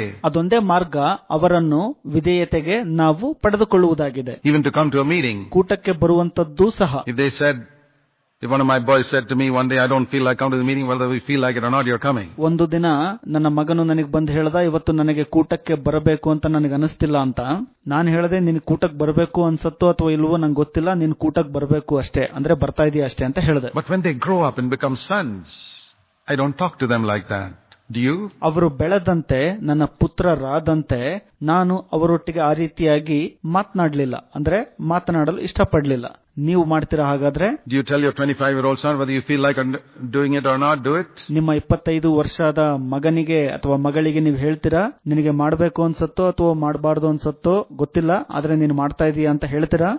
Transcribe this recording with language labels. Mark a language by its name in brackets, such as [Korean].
[Kannada] ಅದೊಂದೇ ಮಾರ್ಗ ಅವರನ್ನು ವಿಧೇಯತೆಗೆ ನಾವು ಪಡೆದುಕೊಳ್ಳುವುದಾಗಿದೆ. [English] even to come to a meeting, [Kannada] ಕೂಟಕ್ಕೆ ಬರುವಂತದ್ದು ಸಹ. [English] If one of my boys said to me one day, I don't feel like coming to the meeting, whether we feel like it or not, you're coming. [Kannada] ಒಂದು ದಿನ ನನ್ನ ಮಗನು ನನಗೆ ಬಂದು ಹೇಳಿದ, ಇವತ್ತು ನನಗೆ ಕೂಟಕ್ಕೆ ಬರಬೇಕು ಅಂತ ನನಗೆ ಅನಿಸ್ತಿಲ್ಲ ಅಂತ. ನಾನು ಹೇಳಿದೆ, ನೀನು ಕೂಟಕ್ಕೆ ಬರಬೇಕು ಅನ್ಸತ್ತೋ ಅಥವಾ ಇಲ್ವೋ ನಂಗೆ ಗೊತ್ತಿಲ್ಲ, ನೀನು ಕೂಟಕ್ಕೆ ಬರಬೇಕು ಅಷ್ಟೇ, ಅಂದ್ರೆ ಬರ್ತಾ ಇದೀಯ ಅಷ್ಟೇ ಅಂತ ಹೇಳಿದೆ. [English] But when they grow up and become sons, I don't talk to them like that. ದ್ಯೂ [Kannada] ಅವರು ಬೆಳೆದಂತೆ ನನ್ನ ಪುತ್ರರಾದಂತೆ ನಾನು ಅವರೊಟ್ಟಿಗೆ ಆ ರೀತಿಯಾಗಿ ಮಾತನಾಡಲಿಲ್ಲ ಅಂದ್ರೆ ಮಾತನಾಡಲು ಇಷ್ಟಪಡಲಿಲ್ಲ ನೀವು ಮಾಡ್ತೀರಾ ಹಾಗಾದ್ರೆ [English] you tell your 25 year old son whether you feel like doing it or not do it [Kannada] ನಿಮ್ಮ 25 ವರ್ಷದ ಮಗನಿಗೆ ಅಥವಾ ಮಗಳಿಗೆ ನೀವು ಹೇಳ್ತೀರಾ ನಿನಗೆ ಮಾಡಬೇಕು ಅನ್ಸತ್ತೋ ಅಥವಾ ಮಾಡಬಾರದು ಅನ್ಸತ್ತೋ ಗೊತ್ತಿಲ್ಲ ಆದ್ರೆ ನೀನು ಮಾಡ್ತಾ ಇದೀಯಾ ಅಂತ ಹೇಳ್ತೀರಾ